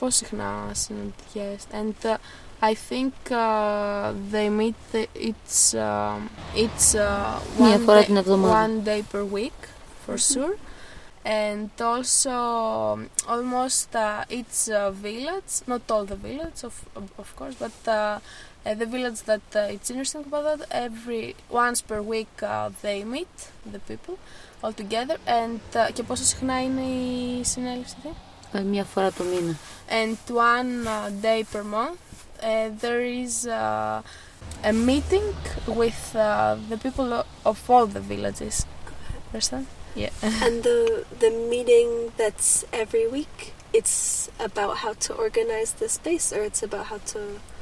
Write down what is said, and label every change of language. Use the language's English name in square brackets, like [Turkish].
[English] And I think they meet one day per week for sure. And also almost each village, not all the village of course, but the village that it's interesting about that, every once per week they meet the people all together. [Greek] And και πόσο συχνά είναι η συνέλευση? Μια φορά το μήνα. [English] And one day per month there is a meeting with the people of all the villages. Understand? Yeah. And the meeting that's every week, it's about how to organize the space, or it's about how to